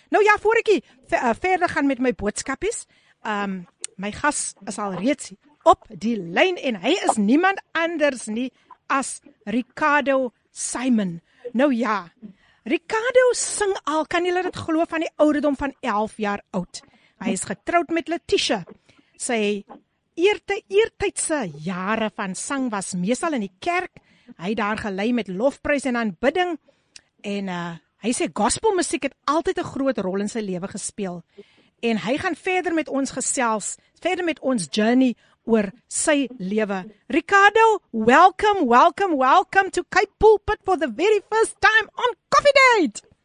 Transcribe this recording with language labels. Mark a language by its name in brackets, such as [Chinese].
[Afrikaans] Nou ja, voorietjie verder gaan met my boodskapies. My gas is al reeds op die lyn en hy is niemand anders nie as Ricardo Simon. Nou ja. Ricardo sing al, kan julle dit glo, van die ouderdom van 11 jaar oud. Hy is getroud met Letitia. Sy eertydse jare van sang was meestal in die kerk. Hy het daar gelei met lofprys en aanbidding. En hy sê gospel musiek het altyd 'n groot rol in sy lewe gespeel. En hy gaan verder met ons gesels, verder met ons journey oor sy lewe. [English] Ricardo, welcome, welcome, welcome to Cape Pulpit for the very first time on Coffee Date.